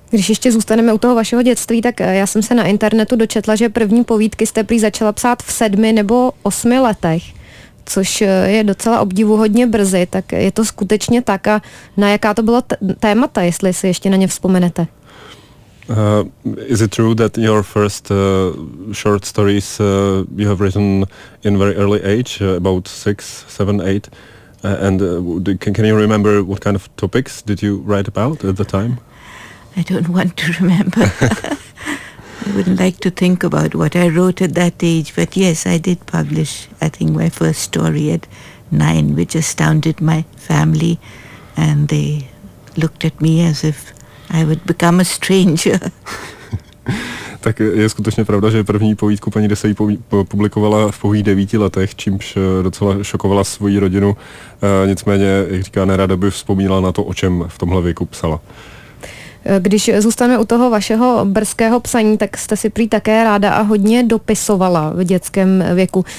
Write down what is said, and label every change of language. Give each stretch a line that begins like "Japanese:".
Czech: Když ještě zůstaneme u toho vašeho dětství, tak já jsem se na internetu dočetla, že první povídky jste prý začala psát v 7 nebo 8 letech, což je docela obdivuhodně brzy, tak je to skutečně tak a na jaká to byla témata, jestli si ještě na ně vzpomenete?
English: Is it true that your first short stories you have written in very early age, about 6, 7, 8, can you remember what kind of topics did you write about at the time? I don't want to remember. I wouldn't like to think about what I wrote at that age, but yes, I did publish, I think, my first story at 9, which astounded my family, and they looked at me as if I would become a stranger.
Czech: Tak je skutečně pravda, že první povídku paní Desai publikovala v pouhých 9 letech, čímž docela šokovala svoji rodinu. Nicméně, jak říká, nerada by vzpomínala na to, o čem v tomhle věku psala. Když zůstaneme u toho vašeho brzkého psaní, tak jste si prý také ráda a hodně dopisovala v dětském věku.